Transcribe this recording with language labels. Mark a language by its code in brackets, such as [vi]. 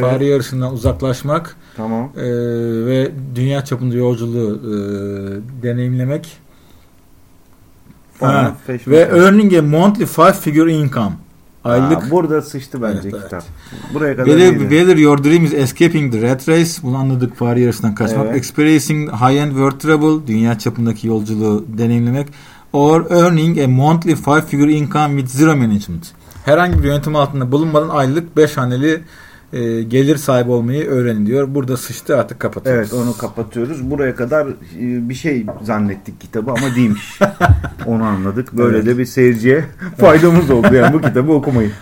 [tr] Fare yarışından uzaklaşmak. Tamam. Ve dünya çapında yolculuğu deneyimlemek. Ve [en] earning a monthly five figure income. [tr] Aylık. Aa, burada sıçtı bence evet, kitap. Evet. Buraya kadar belli, iyiydi. [en] Whether your dream is escaping the rat race. [tr] Bunu anladık. Fare yarışından kaçmak. Evet. [en] Experiencing high end world travel. [tr] Dünya çapındaki yolculuğu deneyimlemek. [en] Or earning a monthly five figure income with zero management. [tr] Herhangi bir yönetim altında bulunmadan aylık 5 haneli gelir sahibi olmayı öğrenin diyor. Burada sıçtı artık kapatıyoruz. Evet onu kapatıyoruz. Buraya kadar bir şey zannettik kitabı ama değilmiş. Onu anladık. Böyle evet. De bir seyirciye faydamız oldu yani bu kitabı okumayı.